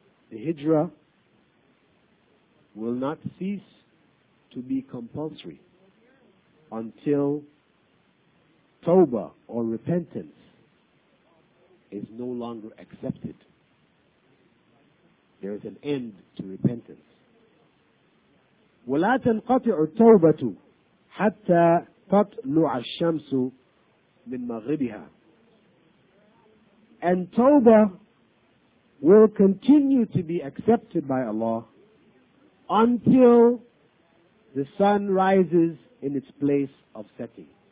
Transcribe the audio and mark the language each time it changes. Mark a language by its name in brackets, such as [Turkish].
[English] The hijrah will not cease to be compulsory until tawbah or repentance is no longer accepted. There is an end to repentance. [Arabic] ولا تنقطع التوبة حتى تطلع الشمس من مغربها. [English] And tawbah will continue to be accepted by Allah until the sun rises in its place of setting.